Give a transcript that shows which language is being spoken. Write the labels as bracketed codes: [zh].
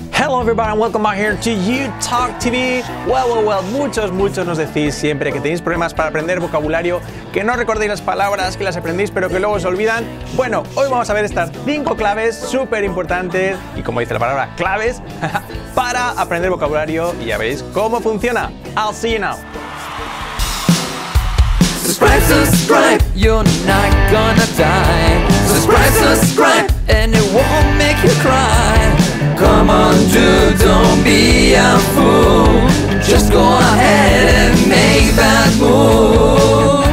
[en] Hello everybody and welcome out here to UTalk TV. [es] Well, muchos nos decís siempre que tenéis problemas para aprender vocabulario, que no recordéis las palabras, que las aprendéis pero que luego se olvidan. Bueno, hoy vamos a ver estas 5 claves súper importantes y como dice la palabra, claves, para aprender vocabulario y ya veréis cómo funciona. [en] I'll see you now. Subscribe, you're not gonna die. Subscribe, and it won't make you cry. Come on, dude, don't be a fool. Just go ahead and make that move.